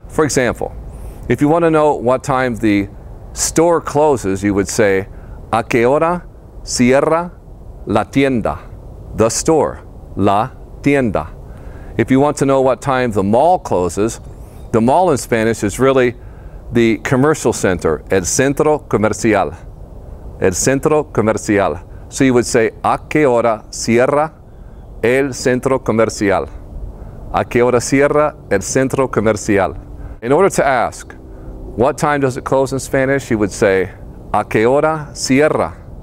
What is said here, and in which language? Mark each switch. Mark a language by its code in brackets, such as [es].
[en] For example, if you want to know what time the store closes, you would say, [es] ¿A qué hora cierra la tienda? [en] The store, [es] la tienda. [en] If you want to know what time the mall closes, the mall in Spanish is really the commercial center, [es] el centro comercial. El centro comercial. [en] So you would say, [es] ¿A qué hora cierra el centro comercial? ¿A qué hora cierra el centro comercial? [en] In order to ask, what time does it close in Spanish? You would say, [es] ¿A qué hora cierra?